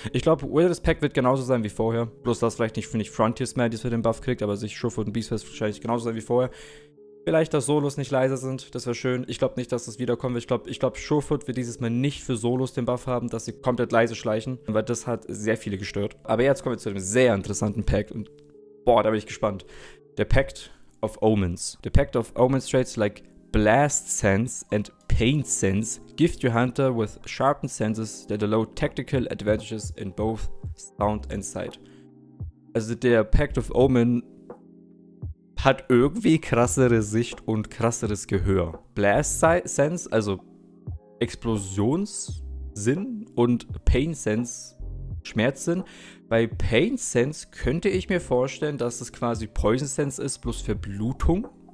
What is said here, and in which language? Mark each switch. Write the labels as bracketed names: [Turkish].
[German] Ich glaube, Wilderness Pack wird genauso sein wie vorher. Bloß das vielleicht nicht, finde ich, Frontiers mehr, die es für den Buff kriegt, aber sich Surefoot und Beasts wird wahrscheinlich genauso sein wie vorher. Vielleicht, dass Solos nicht leiser sind, das wäre schön. Ich glaube nicht, dass das wiederkommt. Ich glaube, Surefoot wird dieses Mal nicht für Solos den Buff haben, dass sie komplett leise schleichen, weil das hat sehr viele gestört. Aber jetzt kommen wir zu einem sehr interessanten Pack und boah, da bin ich gespannt. Der Pact of Omens. [English] The Pact of Omens traits like Blast Sense and Pain Sense gift your hunter with sharpened senses that allow tactical advantages in both sound and sight. [German] Also der Pact of Omens hat irgendwie krassere Sicht und krasseres Gehör. Blast Sense, also Explosionssinn und Pain Sense, Schmerzsinn. Bei Pain Sense könnte ich mir vorstellen, dass es quasi Poison Sense ist, plus Verblutung.